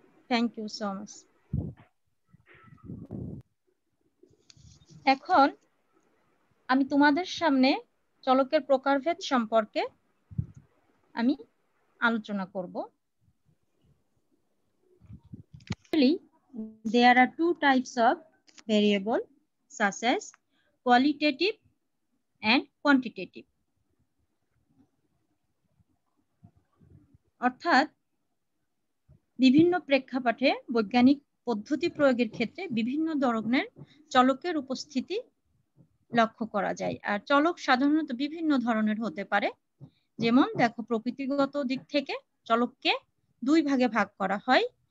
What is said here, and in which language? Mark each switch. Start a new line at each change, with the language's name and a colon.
English: Thank you so much.
Bangla: এখন আমি তোমাদের সামনে চলকের প্রকারভেদ সম্পর্কে আমি আলোচনা করব।
English: There are two types of variable, such as qualitative and quantitative.
Bangla: অর্থাৎ বিভিন্ন প্রেক্ষাপটে বৈজ্ঞানিক পদ্ধতি প্রয়োগের ক্ষেত্রে বিভিন্ন ধরনের চলকের উপস্থিতি লক্ষ্য করা যায়। আর চলক সাধারণত বিভিন্ন ধরনের হতে পারে। যেমন দেখো, প্রকৃতিগত দিক থেকে চলককে দুই ভাগে ভাগ করা হয়।